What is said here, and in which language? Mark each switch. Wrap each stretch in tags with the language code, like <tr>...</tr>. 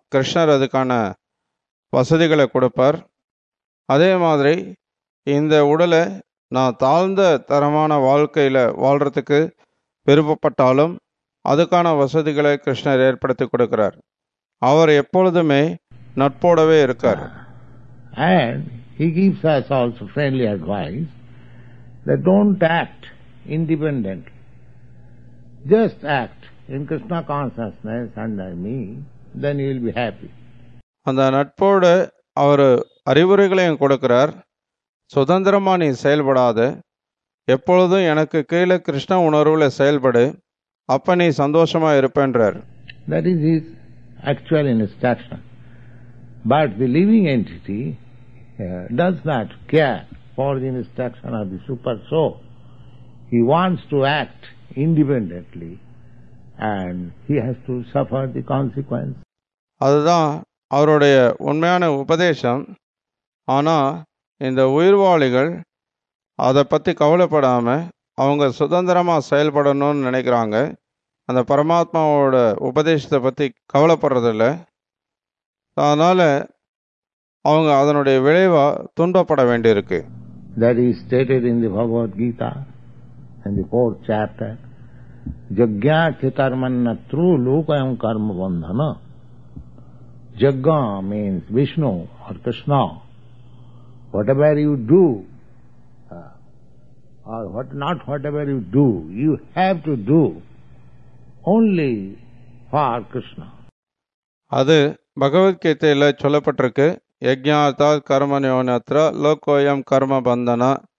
<ta>கிருஷ்ணர் அதுக்கான வசதிகளை கொடுப்பார். அதே மாதிரி இந்த உடலை நான் தாழ்ந்த தரமான வாழ்க்கையில் வாழ்றதுக்கு விருப்பப்பட்டாலும் அதுக்கான வசதிகளை கிருஷ்ணர் ஏற்படுத்தி கொடுக்கிறார். அவர் எப்பொழுதுமே நட்போடவே இருக்கார்.</ta> <en>And he gives us also friendly advice that don't act independently. Just act in Krishna consciousness under me, then you will be happy.</en> <ta>அந்த நட்போடு அவர் அறிவுரைகளையும் கொடுக்கிறார். சுதந்திரமா நீ செயல்படாத, எப்பொழுதும் எனக்கு கீழே கிருஷ்ண உணர்வுல செயல்படு, அப்ப நீ சந்தோஷமா இருப்பேன்றார்.</ta> <en>That is his actual instruction. But the living entity does not care for the instruction of the super soul. He wants to act independently and he has to suffer the consequence.</en> <ta>அதுதான் அவருடைய உண்மையான உபதேசம். ஆனா இந்த உயிர்வாளிகள் அதை பற்றி கவலைப்படாமல் அவங்க சுதந்திரமாக செயல்படணும்னு நினைக்கிறாங்க. அந்த பரமாத்மாவோட உபதேசத்தை பற்றி கவலைப்படுறதில்ல. அதனால் அவங்க அதனுடைய விளைவாக துன்பப்பட வேண்டியிருக்கு.</ta> <en>That is stated in the Bhagavad Gita, in the fourth chapter.</en> <sa>Jagya Chitarmanna Tru Lukayam Karma Vandhana.</sa> <en>Jagya means Vishnu or Krishna. Whatever you do, you have to do only for Krishna.</en> <ta>அது பகவத்கீதையில் சொல்லப்பட்டிருக்கு.</ta> <sa>யஜ்யார்த்தா கர்மநியோனத்ர லோகோயம் கர்ம bandana.</sa>